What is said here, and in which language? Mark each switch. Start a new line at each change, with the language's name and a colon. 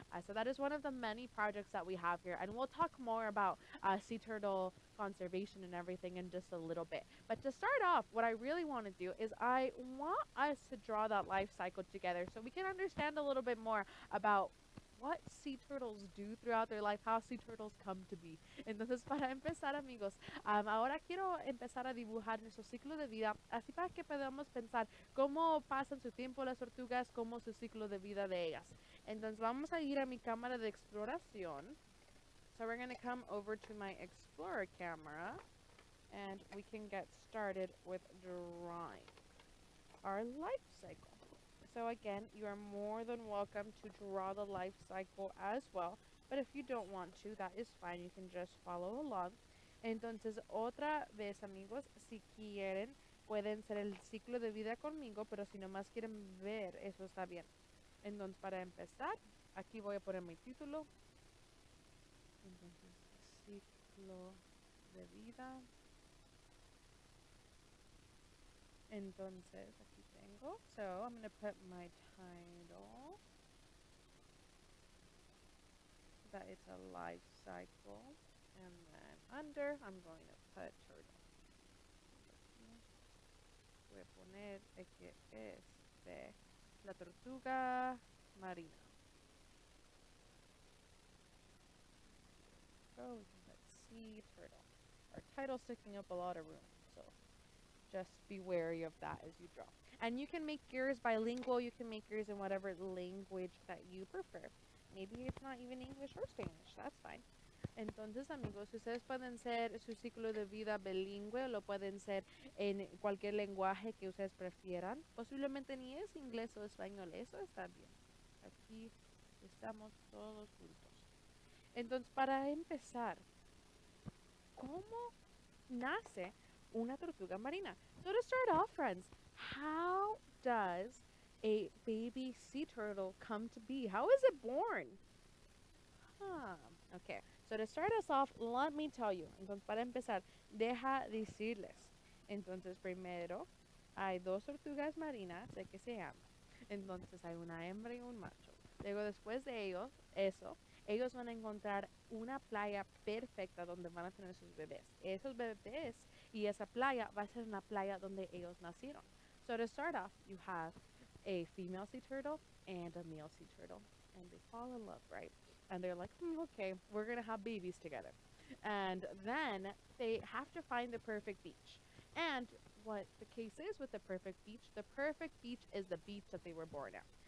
English: So that is one of the many projects that we have here, and we'll talk more about sea turtle conservation and everything in just a little bit. But to start off, what I really want to do is I want us to draw that life cycle together so we can understand a little bit more about what sea turtles do throughout their life, how sea turtles come to be.
Spanish: Entonces, para empezar, amigos, ahora quiero empezar a dibujar nuestro ciclo de vida, así para que podamos pensar cómo pasan su tiempo las tortugas, cómo su ciclo de vida de ellas. Entonces, vamos a ir a mi cámara de exploración.
English: So we're going to come over to my Explora camera, and we can get started with drawing our life cycle. So again, you are more than welcome to draw the life cycle as well. But if you don't want to, that is fine. You can just follow along.
Spanish: Entonces, otra vez, amigos, si quieren, pueden ser el ciclo de vida conmigo. Pero si nomás quieren ver, eso está bien. Entonces, para empezar, aquí voy a poner mi título. Entonces, ciclo de vida. Entonces, aquí.
English: So, I'm going to put my title, that it's a life cycle, and then under, I'm going to put turtle.
Spanish: Voy a poner que es de la tortuga marina.
English: So, we can put sea turtle. Our title's taking up a lot of room, so just be wary of that as you draw. And you can make yours bilingual, you can make yours in whatever language that you prefer. Maybe it's not even English or Spanish, that's fine.
Spanish: Entonces, amigos, ustedes pueden ser su ciclo de vida bilingüe, lo pueden ser en cualquier lenguaje que ustedes prefieran. Posiblemente ni es inglés o español, eso está bien. Aquí estamos todos juntos. Entonces, para empezar, ¿cómo nace una tortuga marina?
English: So to start off, friends, how does a baby sea turtle come to be? How is it born? Okay. So to start us off, let me tell you.
Spanish: Entonces, para empezar, deja decirles. Entonces, primero, hay dos tortugas marinas, ¿de qué se llaman? Entonces, hay una hembra y un macho. Luego, después de ellos, eso, ellos van a encontrar una playa perfecta donde van a tener sus bebés. Esos bebés y esa playa va a ser una playa donde ellos nacieron.
English: So to start off, you have a female sea turtle and a male sea turtle. And they fall in love, right? And they're like, okay, we're gonna have babies together. And then they have to find the perfect beach. And what the case is with the perfect beach is the beach that they were born at.